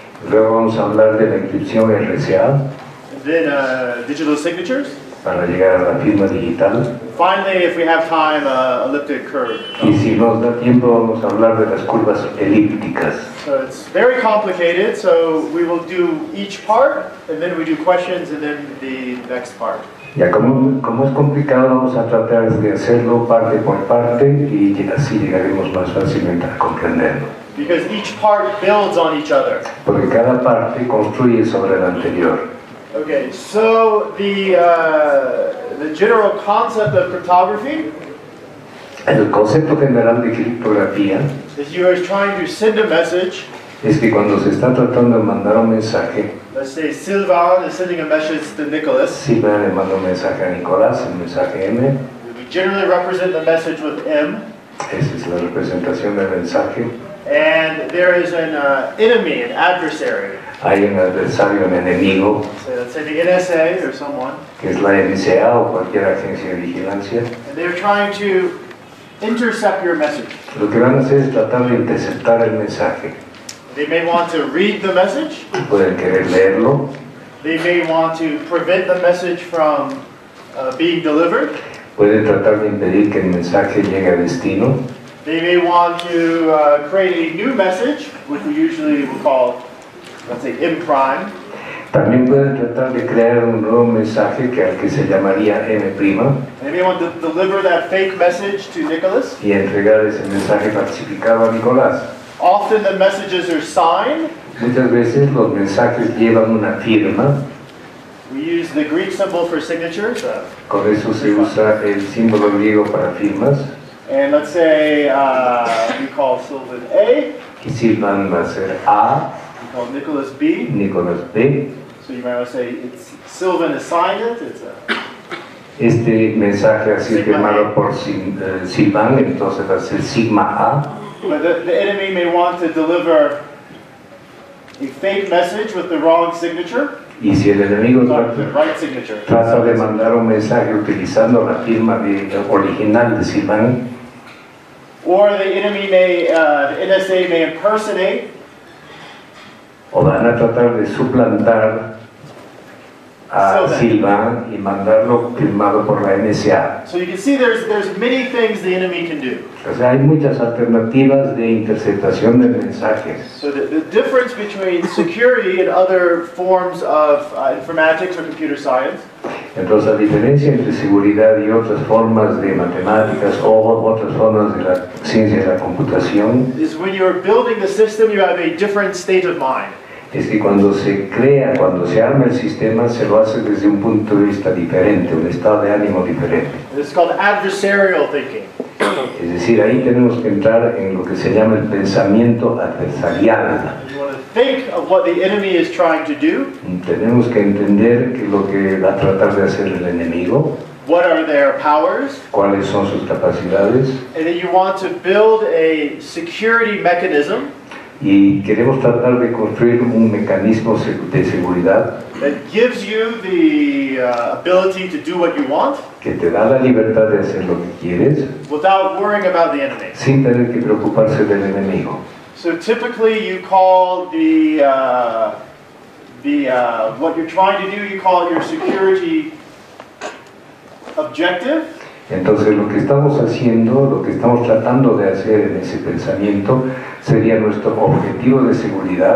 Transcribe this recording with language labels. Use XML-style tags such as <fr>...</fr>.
<es>Luego vamos a hablar de la encripción RSA.</es> <en>Then digital signatures.</en> <es>Para llegar a la firma digital.</es> <en>Finally, if we have time, elliptic curve.</en> <es>Y si nos da tiempo, vamos a hablar de las curvas elípticas.</es> <en>So it's very complicated, so we will do each part, and then we do questions, and then the next part.</en> <es>Ya, como es complicado, vamos a tratar de hacerlo parte por parte, y así llegaremos más fácilmente a comprenderlo.</es> <en>Because each part builds on each other.</en> <es>Porque cada parte construye sobre la anterior.</es> <en>Okay, so the general concept of cryptography.</en> <es>El concepto general de criptografía.</es> <en>Is you are trying to send a message.</en> <es>Es que cuando se está tratando de mandar un mensaje.</es> <en>Let's say Sylvain is sending a message to Nicholas.</en> <es>Sylvain le manda un mensaje a Nicolás, un mensaje M.</es> <en>We generally represent the message with M.</en> <es>Esa es la representación del mensaje.</es> <en>And there is an enemy, an adversary.</en> <es>Hay un adversario, un enemigo.</es> <en>Let's say the NSA or someone.</en> <es>Que es la NSA o cualquier agencia de vigilancia.</es> <en>And they're trying to intercept your message.</en> <es>Lo que van a hacer es tratar de interceptar el mensaje.</es> <en>They may want to read the message.</en> <es>Pueden querer leerlo.</es> <en>They may want to prevent the message from being delivered.</en> <es>Pueden tratar de impedir que el mensaje llegue a destino.</es> <en>They may want to create a new message, which we usually would call, let's say, M prime.</en> <es>También pueden tratar de crear un nuevo mensaje que al que se llamaría M prima.</es> <en>They may want to deliver that fake message to Nicholas.</en> <es>Y entregar ese mensaje falsificado a Nicolás.</es> <en>Often the messages are signed.</en> <es>Muchas veces los mensajes llevan una firma.</es> <en>We use the Greek symbol for signatures.</en> <es>Con eso se usa el símbolo griego para firmas.</es> <en>And let's say we call Sylvain A.</en> <es>Y Sylvain va a ser A.</es> <en>We call Nicholas B.</en> <es>Nicholas B.</es> <en>So you might want to say it's Sylvain assigned it. It's a</en> <es>este mensaje ha sido firmado por Sylvain, entonces va a ser Sigma A.</es> <en>But the enemy may want to deliver a fake message with the wrong signature.</en> <es>Y si el enemigo trata de mandar un mensaje utilizando la firma original de Sylvain,</es> <en>or the enemy may, the NSA may impersonate,</en> <es>o van a tratar de suplantar a Sylvain y mandarlo firmado por la NSA.</es> <en>So you can see there's many things the enemy can do.</en> <es>O sea, hay muchas alternativas de interceptación de mensajes.</es> <en>So the difference between security and other forms of informatics or computer science.</en> <es>Entonces, la diferencia entre seguridad y otras formas de matemáticas o otras formas de la ciencia de la computación.</es> <en>Is when you're building the system, you have a different state of mind.</en> <es>Es que cuando se crea, cuando se arma el sistema, se lo hace desde un punto de vista diferente, un estado de ánimo diferente.</es> <en>It's called adversarial thinking.</en> <es>Es decir, ahí tenemos que entrar en lo que se llama el pensamiento adversarial.</es> <en>You want to think of what the enemy is trying to do.</en> <es>Tenemos que entender que lo que va a tratar de hacer el enemigo.</es> <en>What are their powers?</en> <es>¿Cuáles son sus capacidades?</es> <en>And then you want to build a security mechanism.</en> <es>y queremos tratar de construir un mecanismo de seguridad</es> <en>that gives you the ability to do what you want,</en> <es>que te da la libertad de hacer lo que quieres</es> <en>without worrying about the enemy.</en> <es>Sin tener que preocuparse del enemigo.</es> <en>So typically you call what you're trying to do, you call it your security objective.</en> <es>Entonces lo que estamos haciendo, lo que estamos tratando de hacer en ese pensamiento sería nuestro objetivo de seguridad</es>